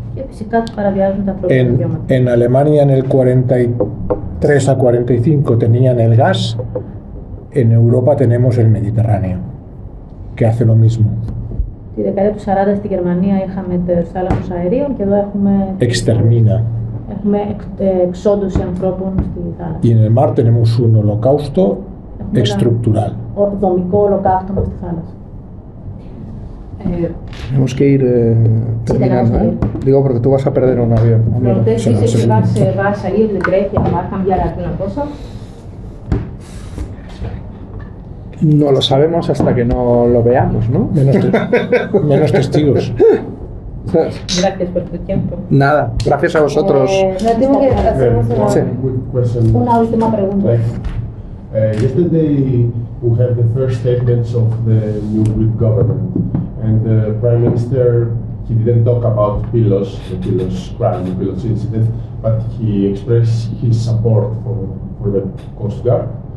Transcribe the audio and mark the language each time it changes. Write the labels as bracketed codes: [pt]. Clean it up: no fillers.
[el] Και φυσικά παραβιάζουν τα ανθρώπινα δικαιώματα. [es] En Alemania en el 43-45 tenían el gas. En Europa tenemos el Mediterráneo, que hace lo mismo. [el] Τη δεκαετία του 40 στη Γερμανία είχαμε θάλασσους αερίων και εδώ έχουμε... [es] Extermina. [el] Έχουμε εξόντωση ανθρώπων στη θάλασσα. [es] Y en el mar tenemos un holocausto estructural. [el] Δομικό ολοκαύτωμα στη θάλασσα. [es] Tenemos que ir terminando, digo, porque tú vas a perder un avión. ¿Pero te dices que vas a salir de Grecia, vas a cambiar alguna cosa? No lo sabemos hasta que no lo veamos, ¿no? Menos testigos. Gracias por tu tiempo. Nada, gracias a vosotros. Tengo que hacer una última pregunta. [en] Yesterday we had the first statements of the new Greek government, and the prime minister, he didn't talk about Pylos, the Pylos crime, the Pylos incident, but he expressed his support for the Coast Guard.